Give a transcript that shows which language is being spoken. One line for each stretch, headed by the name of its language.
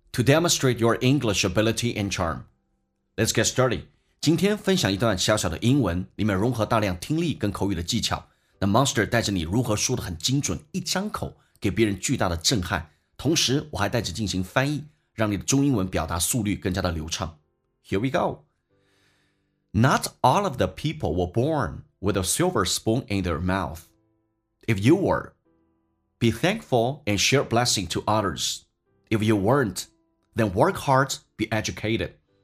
English: To demonstrate your English ability and charm, let's get started.
Chinese: 今天分享一段小小的英文，里面融合大量听力跟口语的技巧。那 Monster 带着你如何说得很精准，一张口给别人巨大的震撼。同时，我还带着进行翻译，让你的中英文表达速率更加的流畅。
English: Here we go. Not all of the people were born with a silver spoon in their mouth. If you were,Be thankful and share blessing to others. If you weren't, then work hard, be educated.